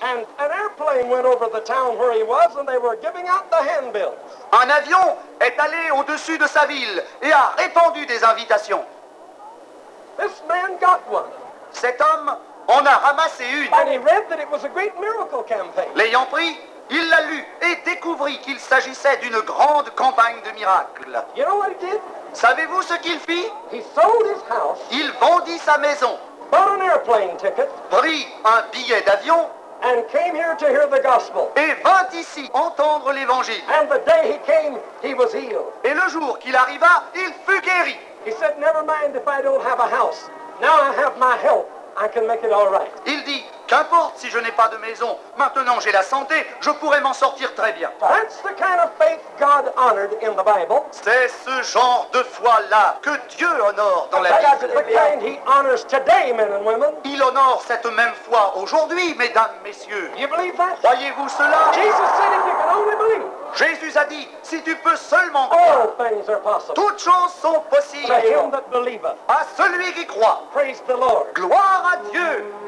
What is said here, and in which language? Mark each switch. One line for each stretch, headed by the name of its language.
English: And an airplane went over the town where he was and they were giving out the handbills.
French: Un avion est allé au-dessus de sa ville et a répandu des invitations.
English: This man got one.
French: Cet homme en a ramassé une.
English: And he read that it was a great miracle campaign.
French: L'ayant pris, il l'a lu et découvrit qu'il s'agissait d'une grande campagne de miracles.
English: You know what he did?
French: Savez-vous ce qu'il fit?
English: He sold his house.
French: Il vendit sa maison.
English: Bought an airplane ticket.
French: Pris un billet d'avion.
English: And came here to hear the gospel.
French: Et vint ici entendre l'évangile.
English: And the day he came, he was healed.
French: Et le jour qu'il arriva, il fut guéri.
English: He said, never mind if I don't have a house. Now I have my help. I can make it all right.
French: Il dit, qu'importe si je n'ai pas de maison. Maintenant j'ai la santé, je pourrai m'en sortir très bien.
English: That's the kind of faith God honored in the Bible.
French: C'est ce genre de foi-là que Dieu honore dans la Bible.
English: That's the kind he honors today, men and women.
French: Il honore cette même foi aujourd'hui, mesdames, messieurs.
English: You believe that?
French: Croyez-vous cela?
English: Jesus said if you can only believe.
French: Jésus a dit, si tu peux seulement croire,
English: all things are possible.
French: Toutes choses sont possibles.
English: To him that believeth.
French: À celui qui croit.
English: Praise the Lord.
French: Gloire à Dieu.